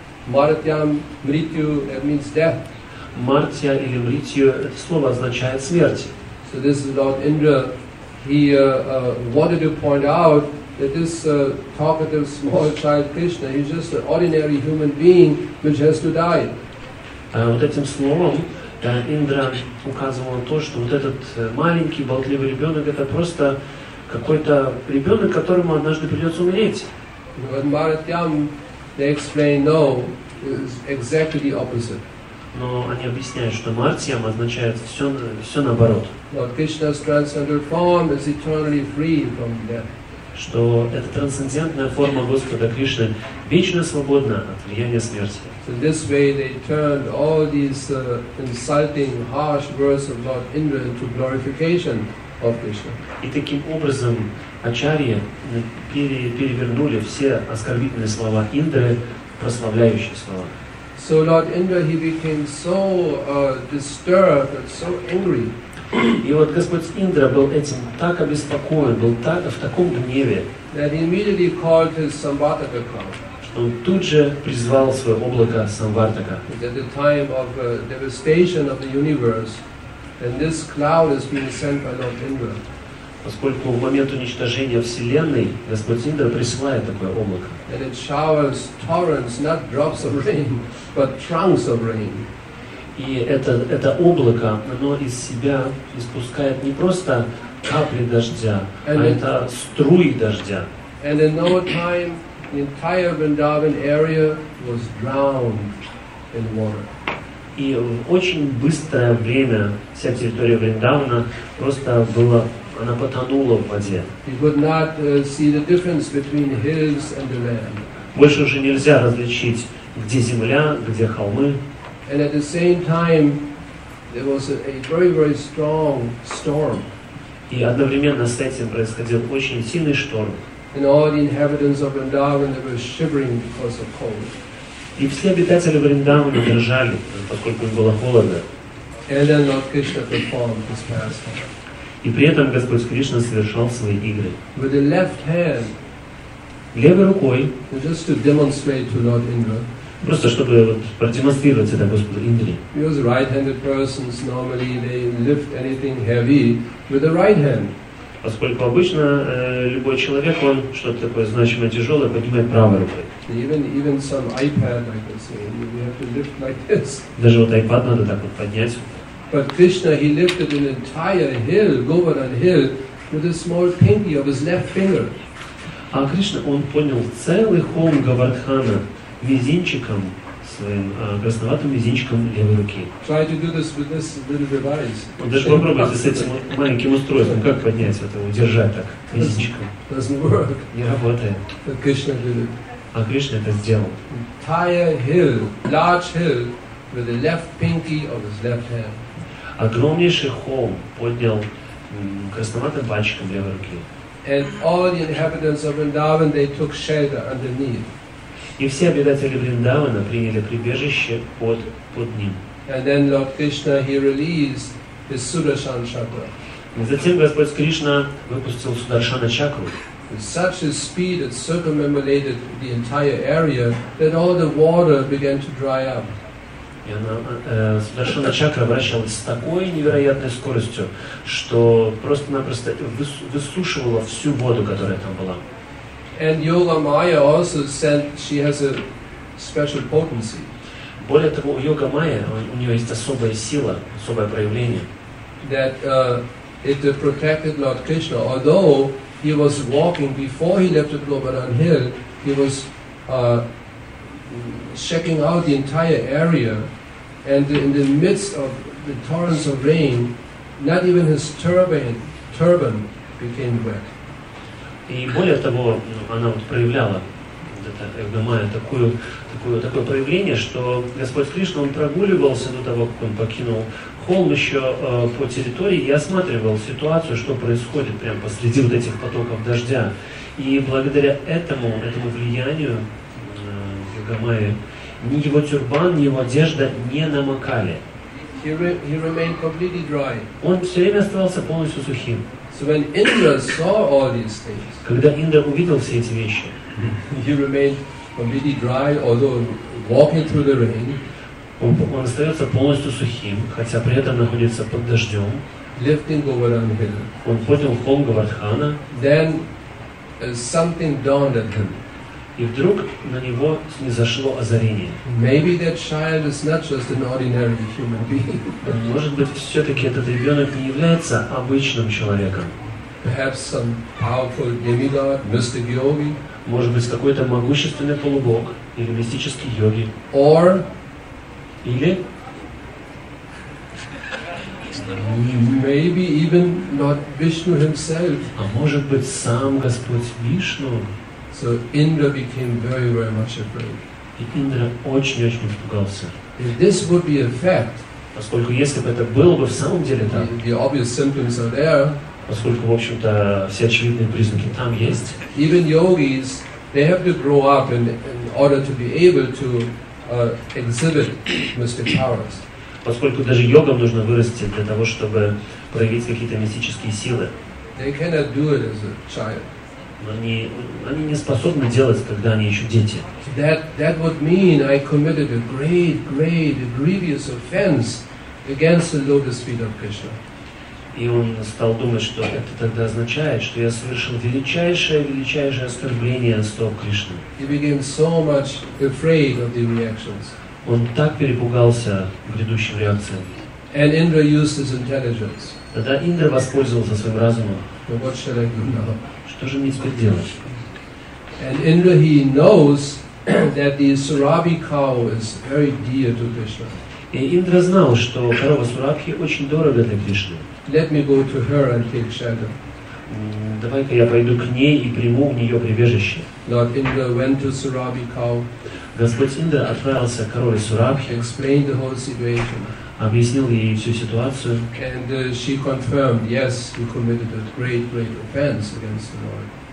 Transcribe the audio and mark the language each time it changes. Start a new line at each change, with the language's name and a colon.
English: Martyam, mrityu, that means death.
Russian: Martya или mrityu, это слово означает смерть.
English: So this is Lord Indra. He wanted to point out that this talkative small child Krishna, he's just an ordinary human being which has to die.
Russian: Вот этим словом Индра указывал на то, что вот этот маленький болтливый ребенок, это просто какой-то ребенок, которому однажды придется умереть.
English: But Bharatiyam, they explain no, is exactly the opposite.
Russian: Но они объясняют, что Мартиям означает все наоборот.
English: Lord Krishna's transcendental form is eternally free from death.
Russian: Что эта трансцендентная форма Господа Кришны вечно свободна от влияния смерти.
English: So this way they turned all these insulting, harsh words of Lord Indra into glorification of Krishna.
Russian: И таким образом ачарьи перевернули все оскорбительные слова Индры в прославляющие слова.
English: So Lord Indra, he became so disturbed and so angry.
Russian: И вот Господь Индра был этим так обеспокоен, был в таком гневе,
English: that he immediately called his Samvartaka cloud.
Russian: Что он тут же призвал свое облако Самвартака.
English: At the time of devastation of the universe, and this cloud is being sent by Lord Indra.
Russian: Поскольку в момент уничтожения Вселенной Господь Индра присылает такое облако.
English: And it showers torrents, not drops of rain, but trunks of rain.
Russian: И это облако, оно из себя испускает не просто капли дождя,
English: and
Russian: а это струи дождя.
English: And in no time, the entire Vrindavan area was drowned in water.
Russian: И в очень быстрое время вся территория Вриндавана просто была, она потонула в воде.
English: He could not see the difference between hills and the land.
Russian: Больше уже нельзя различить, где земля, где холмы.
English: And at the same time, there was a very, very strong storm.
Russian: И одновременно с этим происходил очень сильный шторм.
English: And all the inhabitants of Vrindavan, they were shivering because of cold.
Russian: И все обитатели Вриндавана дрожали, поскольку было холодно.
English: And then Lord Krishna performed his pastime.
Russian: И при этом Господь Кришна совершал свои игры.
English: With the left hand,
Russian: левой рукой,
English: just to demonstrate to Lord Indra.
Russian: Просто чтобы вот продемонстрировать это Господу Индре.
English: Because right-handed persons normally they lift anything heavy with the right hand.
Russian: Поскольку обычно любой человек, он что-то такое значимое тяжелое поднимает правой рукой.
English: Even some iPad, I could say, you have to lift like this.
Russian: Даже вот iPad надо так вот поднять.
English: But Krishna, he lifted an entire hill, Govardhan Hill, with a small pinky of his left finger.
Russian: А Кришна, он поднял целый холм Говардхана мизинчиком, своим красноватым мизинчиком левой руки.
English: Try to do this with this little device.
Russian: Вот даже попробуйте с этим маленьким устройством, как поднять это, удержать так мизинчиком.
English: Doesn't work.
Russian: Не работает.
English: But Krishna did it.
Russian: А Кришна это сделал.
English: Entire hill, large hill, with the left pinky of his left hand.
Russian: Огромнейший холм поднял красноватым пальчиком левой руки.
English: And all the inhabitants of Vrindavan, they took shelter underneath.
Russian: И все обитатели Вриндавана приняли прибежище под ним.
English: And then Lord Krishna, he released his Sudarshan chakra.
Russian: И затем Господь Кришна выпустил Сударшана чакру.
English: With such a speed it circumambulated the entire area that all the water began to dry up.
Russian: И она, Сударшана чакра вращалась с такой невероятной скоростью, что просто-напросто высушивала всю воду, которая там была.
English: And Yoga Maya also sent. She has a special potency.
Russian: Более того, Yoga Maya, у нее есть особая сила, особое проявление.
English: That it protected Lord Krishna, although he was walking before he left the Govardhan Hill, he was checking out the entire area, and in the midst of the torrents of rain, not even his turban became wet.
Russian: И более того, она вот проявляла Эгдамая такое проявление, что Господь Кришна, он прогуливался до того, как он покинул холм еще по территории и осматривал ситуацию, что происходит прямо посреди вот этих потоков дождя. И благодаря этому влиянию Эгдамая, ни его тюрбан, ни его одежда не намокали.
English: He remained completely dry.
Russian: Он все время оставался полностью сухим.
English: So when Indra saw all these things,
Russian: когда Индра увидел все эти вещи,
English: he remained completely dry, although walking through the rain.
Russian: Он остается полностью сухим, хотя при этом находится под дождем.
English: Lifting Govardhan Hill.
Russian: Он поднял холм Говардхана.
English: Then something dawned at him.
Russian: И вдруг на него снизошло озарение.
English: Maybe that child is not just an ordinary human being.
Russian: Может быть, все-таки этот ребенок не является обычным человеком.
English: perhaps some powerful demigod, mystic yogi.
Russian: Может быть, какой-то могущественный полубог или мистический йоги.
English: Or
Russian: или
English: maybe even not Vishnu himself.
Russian: А может быть, сам Господь Вишну.
English: So Indra became very, very much afraid.
Russian: И Индра очень-очень испугался.
English: If this would be a fact,
Russian: поскольку если бы это было бы в самом деле так,
English: the obvious symptoms are there,
Russian: поскольку, в общем-то, все очевидные признаки там есть,
English: even yogis, they have to grow up in order to be able to exhibit mystic powers.
Russian: Поскольку даже йогам нужно вырасти для того, чтобы проявить какие-то мистические силы.
English: They cannot do it as a child.
Russian: Они не способны делать, когда они еще дети.
English: That would mean I committed a great, great, grievous offense against the lotus feet of Krishna.
Russian: И он стал думать, что это тогда означает, что я совершил величайшее, величайшее оскорбление стоп Кришны.
English: He became so much afraid of the reactions.
Russian: Он так перепугался грядущим реакциям.
English: And Indra used his intelligence.
Russian: Тогда Индра воспользовался своим разумом.
English: But what should I do now?
Russian: Что же мне теперь делать?
English: And Indra, he knows that the Surabhi cow is very dear to Krishna.
Russian: И Индра знал, что корова Сурабхи очень дорога для Кришны.
English: Let me go to her and take shelter.
Russian: Давай-ка я пойду к ней и приму в нее прибежище.
English: Lord Indra went to Surabhi cow.
Russian: Господь Индра отправился к корове Сурабхи.
English: Explained the whole situation.
Russian: Объяснил ей всю ситуацию.
English: And she confirmed, yes, you committed a great, great offense against the Lord.